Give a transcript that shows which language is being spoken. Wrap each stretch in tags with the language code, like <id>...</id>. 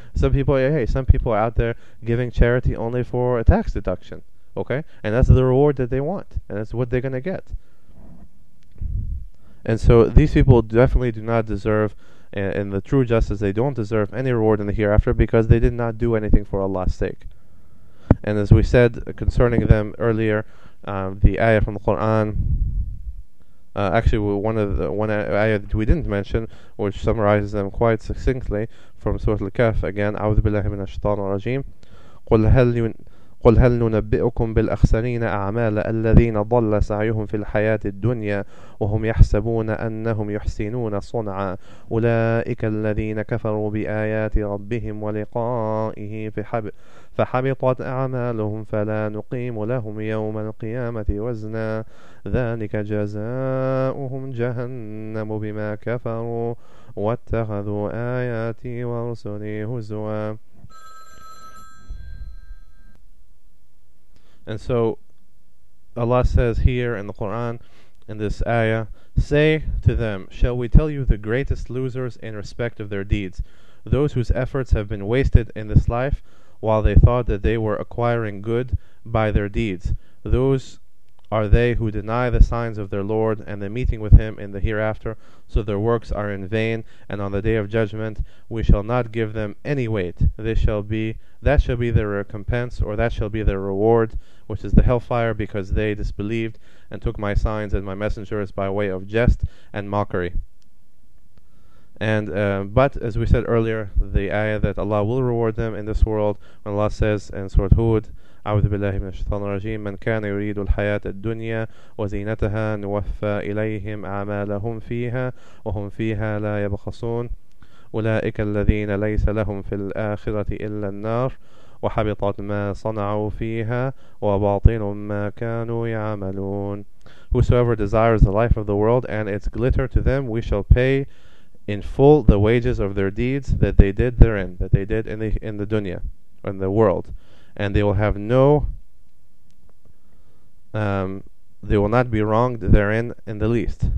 <en>Some people are out there giving charity only for a tax deduction, okay? And that's the reward that they want, and that's what they're gonna get. And so these people definitely do not deserve. And the true justice, they don't deserve any reward in the hereafter because they did not do anything for Allah's sake. And as we said concerning them earlier, the ayah from the Quran, one ayah that we didn't mention, which summarizes them quite succinctly from Surah Al-Kahf, again,</en> <ar>أعوذ بالله من الشيطان الرجيم قل هل ننبئكم بالأخسرين أعمال الذين ضل سعيهم في الحياة الدنيا وهم يحسبون أنهم يحسنون صنعا أولئك الذين كفروا بآيات ربهم ولقائه فحبطت أعمالهم فلا نقيم لهم يوم القيامة وزنا ذلك جزاؤهم جهنم بما كفروا واتخذوا آياتي ورسلي هزوا.</ar> <en>And so Allah says here in the Quran, in this ayah, say to them, shall we tell you the greatest losers in respect of their deeds, those whose efforts have been wasted in this life while they thought that they were acquiring good by their deeds. Those are they who deny the signs of their Lord and the meeting with him in the hereafter, so their works are in vain, and on the day of judgment we shall not give them any weight. That shall be their recompense, or that shall be their reward, which is the hellfire, because they disbelieved and took my signs and my messengers by way of jest and mockery. But as we said earlier, the ayah that Allah will reward them in this world, when Allah says in Surah Hud,</en> <ar>أعوذ بالله من الشيطان الرجيم. من كان يريد الحياة الدنيا وزينتها نوفى إليهم أعمالهم فيها وهم فيها لا يبخسون. أولئك الذين ليس لهم في الآخرة إلا النار وحبطت ما صنعوا فيها وباطل ما كانوا يعملون.</ar> <en>Whosoever desires the life of the world and its glitter, to them we shall pay in full the wages of their deeds that they did therein, that they did in the dunya, or in the world, and they will have no, they will not be wronged therein in the least.</en>